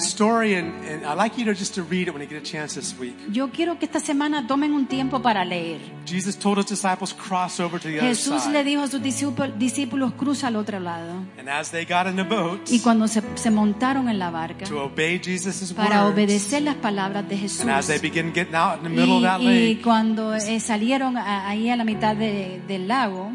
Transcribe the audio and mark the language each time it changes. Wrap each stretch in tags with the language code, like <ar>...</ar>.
<en>The story, and I'd like you to just to read it when you get a chance this week.</en> <es>Yo quiero que esta semana tomen un tiempo para leer.</es> <en>Jesus told his disciples cross over to the other</en> <es>Jesús</es> <en>side.</en> <es>Jesús le dijo a sus discípulos cruza al otro lado.</es> <en>And as they got in the boat,</en> <es>y cuando se montaron en la barca,</es> <en>to obey Jesus' words,</en> <es>para obedecer las palabras de Jesús.</es> <en>And as they began getting out in the middle of that lake,</en> <es>y cuando salieron ahí a la mitad del lago,</es>